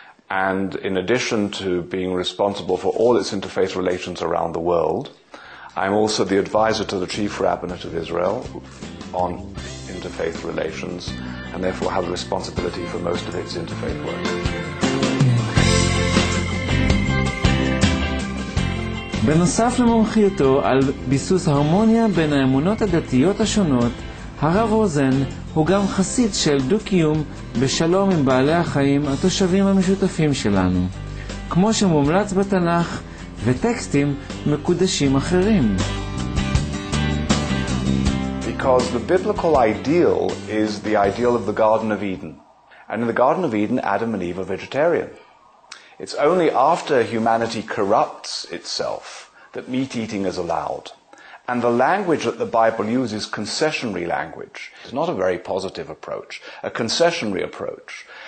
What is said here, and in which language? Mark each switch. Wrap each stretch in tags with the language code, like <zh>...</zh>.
<en>And in addition to being responsible for all its interfaith relations around the world, I'm also the advisor to the Chief Rabbinate of Israel on interfaith relations, and therefore have responsibility for most of its interfaith work.</en> <he>בנוסף למומחיותו על ביסוס הרמוניה בין האמונות הדתיות השונות, הרב רוזן הוא גם חסיד של דו-קיום בשלום עם בעלי החיים התושבים המשותפים שלנו, כמו שמומלץ בתנ"ך וטקסטים מקודשים אחרים.</he> <en>Because the biblical ideal is the ideal of the Garden of Eden. And in the Garden of Eden, Adam and Eve are vegetarian. It's only after humanity corrupts itself that meat eating is allowed. And the language that the Bible uses, concessionary language, is not a very positive approach, a concessionary approach.</en>